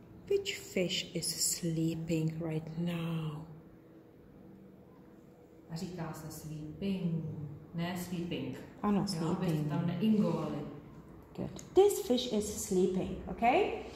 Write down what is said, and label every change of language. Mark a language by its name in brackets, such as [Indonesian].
[English] Which fish is sleeping right now? [Czech] A říká se sleeping, ne sleeping. Ano, sleeping. Já bych tam neingovali. [English] Good. This fish is sleeping, okay?